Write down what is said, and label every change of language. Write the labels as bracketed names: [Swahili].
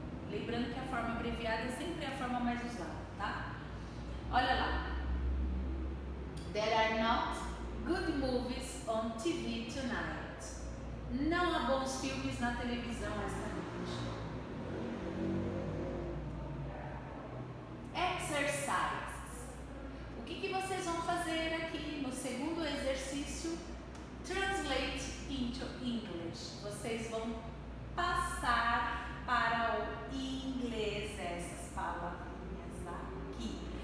[Portuguese] Lembrando que a forma abreviada sempre é a forma mais usada, tá? Olha lá. [English] There are not good movies on TV tonight. [Portuguese] Não há bons filmes na televisão esta noite. Exercise. O que vocês vão fazer aqui no segundo exercício? [English] Translate into English. [Portuguese] Vocês vão passar para o inglês essas palavrinhas aqui.